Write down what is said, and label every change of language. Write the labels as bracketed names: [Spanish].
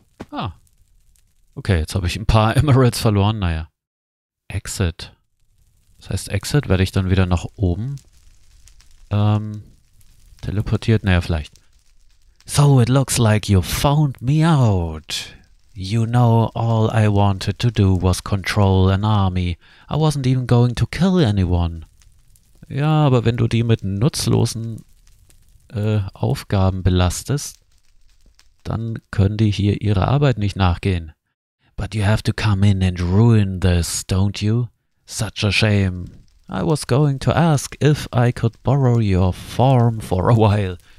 [German] Ah. Okay, jetzt habe ich ein paar Emeralds verloren. Naja. Exit. Das heißt, Exit werde ich dann wieder nach oben teleportiert. Naja, vielleicht. [English] So, it looks like you found me out. You know, all I wanted to do was control an army. I wasn't even going to kill anyone. [German] Ja, aber wenn du die mit nutzlosen Aufgaben belastest, dann können die hier ihrer Arbeit nicht nachgehen. [English] But you have to come in and ruin this, don't you? Such a shame. I was going to ask if I could borrow your form for a while.